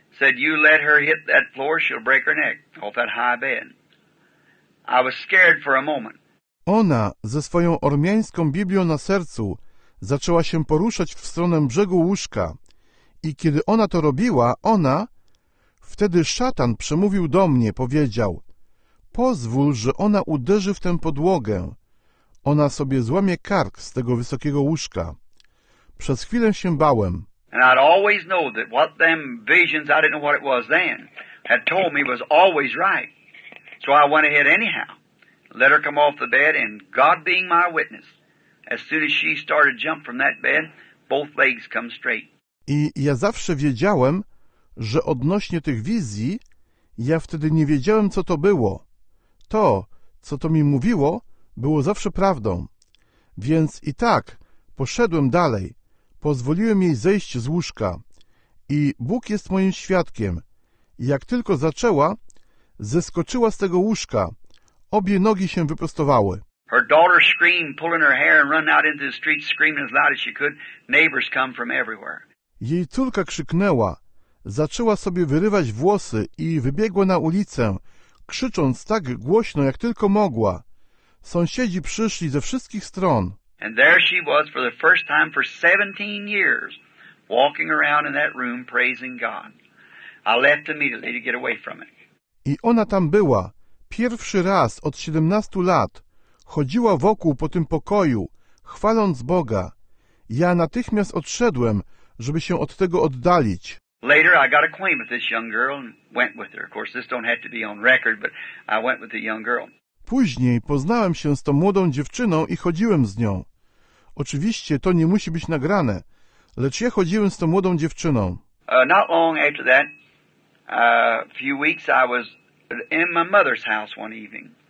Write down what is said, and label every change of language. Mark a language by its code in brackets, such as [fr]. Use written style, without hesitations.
[en] Said, you let her hit that floor, she'll break her neck off that high bed. I was scared for a moment. [pl] Ona ze swoją ormiańską Biblią na sercu zaczęła się poruszać w stronę brzegu łóżka. I kiedy ona to robiła, ona... Wtedy szatan przemówił do mnie, powiedział, pozwól, że ona uderzy w tę podłogę. Ona sobie złamie kark z tego wysokiego łóżka. Przez chwilę się bałem. [en] And I'd always know that what them visions, I didn't know what it was then, had told me was always right. So I went ahead anyhow. Let her come off the bed, and God being my witness, as soon as she started to jump from that bed, both legs come straight. [pl] I ja zawsze wiedziałem, że odnośnie tych wizji, ja wtedy nie wiedziałem, co to było. To, co to mi mówiło, było zawsze prawdą. Więc i tak poszedłem dalej. Pozwoliłem jej zejść z łóżka. I Bóg jest moim świadkiem. Jak tylko zaczęła, zeskoczyła z tego łóżka. Obie nogi się wyprostowały. [en] Her daughter screamed, pulling her hair and running out into the street, screaming as loud as she could. Neighbors come from everywhere. [pl] Jej córka krzyknęła. Zaczęła sobie wyrywać włosy i wybiegła na ulicę, krzycząc tak głośno, jak tylko mogła. Sąsiedzi przyszli ze wszystkich stron. [en] And there she was for the first time for 17 years, walking around in that room praising God. I left immediately to get away from it. [pl] I ona tam była. Pierwszy raz od 17 lat. Chodziła wokół po tym pokoju, chwaląc Boga. Ja natychmiast odszedłem, żeby się od tego oddalić. [en] Later I got acquainted with this young girl and went with her. Of course, this don't have to be on record, but I went with the young girl. [pl] Później poznałem się z tą młodą dziewczyną i chodziłem z nią. Oczywiście to nie musi być nagrane, lecz ja chodziłem z tą młodą dziewczyną. [en] Not long after that, a few weeks, I was in my mother's house one evening.